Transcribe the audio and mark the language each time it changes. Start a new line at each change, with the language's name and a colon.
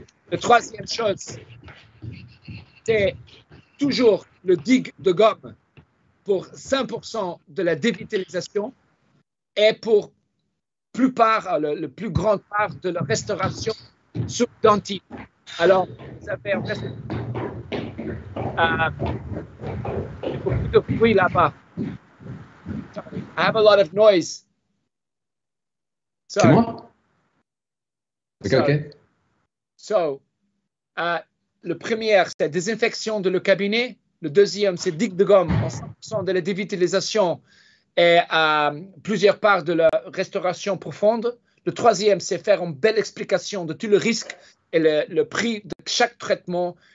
French: La troisième chose, c'est toujours le dig de gomme pour 5% de la dévitalisation et pour la plus grande part de la restauration sur dentine. Alors, vous avez en fait beaucoup de bruit là-bas.
English: Sorry. I have a lot of noise.
French: Sorry. C'est moi? Okay, so, le premier, c'est désinfection de le cabinet. Le deuxième, c'est digue de gomme en 100% de la dévitalisation et plusieurs parts de la restauration profonde. Le troisième, c'est faire une belle explication de tout le risque et le prix de chaque traitement.